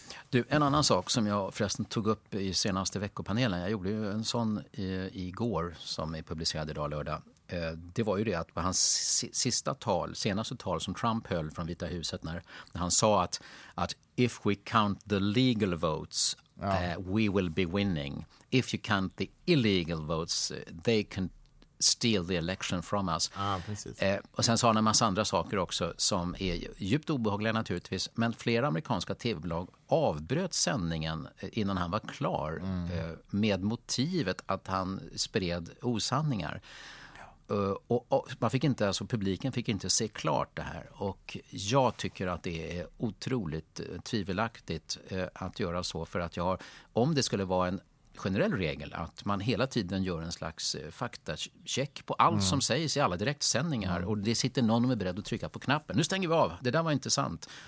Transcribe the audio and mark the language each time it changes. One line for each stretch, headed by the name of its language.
Swedish: Du, en annan sak som jag förresten tog upp i senaste veckopanelen, jag gjorde ju en sån igår som är publicerad idag lördag. det var ju det att på hans sista tal, senaste tal som Trump höll från Vita huset, när han sa att
English: if we count the legal votes, we will be winning. If you count the illegal votes, they can steal the election from us.
Swedish: Och sen sa han en massa andra saker också som är djupt obehagliga naturligtvis, men flera amerikanska tv-bolag avbröt sändningen innan han var klar med motivet att han spred osanningar. Och man fick inte, alltså publiken fick inte se klart det här, och jag tycker att det är otroligt tvivelaktigt att göra så, för att jag har, om det skulle vara en generell regel att man hela tiden gör en slags faktacheck på allt som sägs i alla direktsändningar och det sitter någon som är beredd att trycka på knappen, nu stänger vi av, det där var inte sant.